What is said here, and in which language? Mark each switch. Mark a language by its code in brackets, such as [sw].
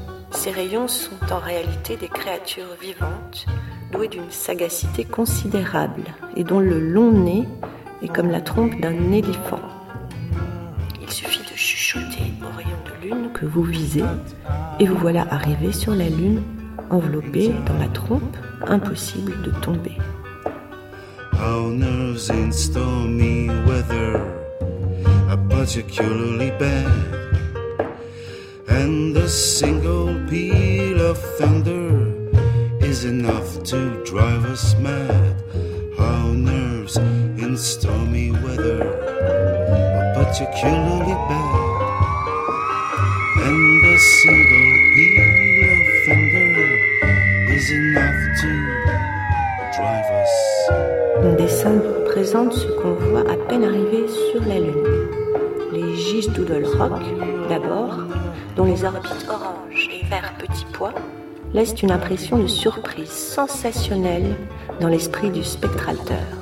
[fr] Ces rayons sont en réalité des créatures vivantes, doué d'une sagacité considérable et dont le long nez est comme la trompe d'un éléphant. Il suffit de chuchoter au rayon de lune que vous visez et vous voilà arrivé sur la lune, enveloppé dans la trompe, impossible de tomber. [en] Our nerves in stormy weather are particularly bad, and the single peal of thunder is enough to drive us mad. Our nerves in stormy weather are particularly bad, and a single peal of thunder is enough to drive us. [fr] Mon dessin vous présente ce qu'on voit à peine arrivé sur la Lune. Les giges Doodle Rock, d'abord, dont les orbites orange et vert petit pois laisse une impression de surprise sensationnelle dans l'esprit du spectralteur.